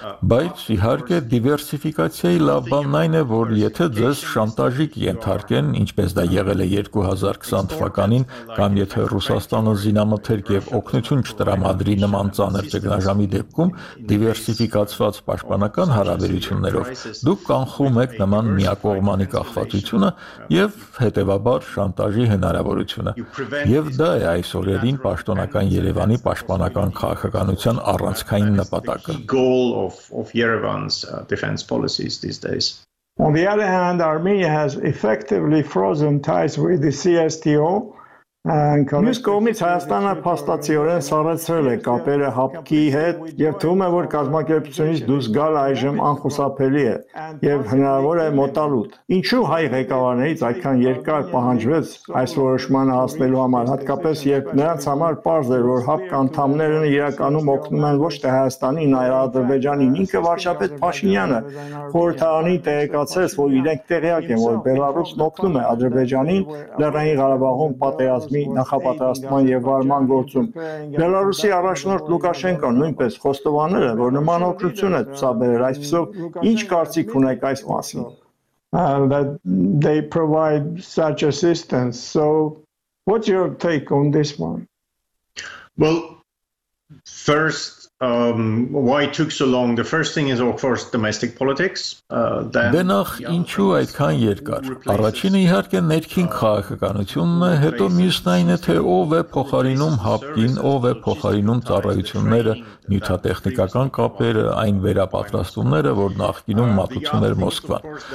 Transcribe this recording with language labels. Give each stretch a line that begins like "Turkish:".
Armenian: բայց իհարկե դիվերսիֆիկացիայի լավ բանն այն է, որ եթե ձեզ շանտաժիկ ենթարկեն, ինչպես դա եղել է 2020 թվականին, կամ եթե Ռուսաստանը զինամթերք եւ օգնություն չտրամադրի նման ծանր ճգնաժամի դեպքում դիվերսիֆիկացված պաշտպանական հարաբերություններով, դուք կանխում եք նման միակողմանի կախվածությունը եւ հետեւաբար շանտաժի հնարավորությունը։ Եվ դա է այսօրերին պաշտոնական Երևանի պաշտպանական քաղաքականության առանցքային նպատակը։
English: Goal of Yerevan's defense policies these days. On the other hand, Armenia has effectively frozen ties with the CSTO.
Armenian: Մյուս կողմից Հայաստանը փաստացիորեն սառեցրել է կապերը ՀԱՊԿ-ի հետ եւ թվում է, որ կազմակերպությունից դուրս գալ այժմ անխուսափելի է եւ հնարավոր է մոտալուտ։ Ինչու հայ ղեկավարներից այդքան երկար պահանջվեց այս որոշմանը հասնելու համար, հատկապես երբ նրանց համար պարզ էր, որ ՀԱՊԿ անդամներն իրականում օգնում են ոչ թե Հայաստանին, այլ Ադրբեջանին։ Ինքը վարչապետ Փաշինյանը խորհրդարանին տեղեկացրեց, որ իրենք տեղյակ են, որ Բելարուսն օգնում է Ադրբեջանին Լեռնային Ղարաբաղում պատերազմի նախապատրաստման եւ վարման գործում։ Բելարուսի առաջնորդ Լուկաշենկոն նույնպես խոստովանել է, որ նման օկրություն է ցուցաբերել։ Այսպիսով, ինչ կարծիք ունեք այս մասին?
English: They provide such assistance. So, what's your take on this one? Well, first, why took so long? The first thing is, of course, domestic politics. Then
Armenian: ախ, ինչու այդքան երկար? Առաջինը իհարկե ներքին քաղաքականությունն է, հետո մյուսն այն է, թե ով է փոխարինում ՀԱՊԿ-ին, ով է փոխարինում ծառայությունները, նյութատեխնիկական կապերը, այն վերապատրաստումները, որ նախկինում մատուցում էր Մոսկվան։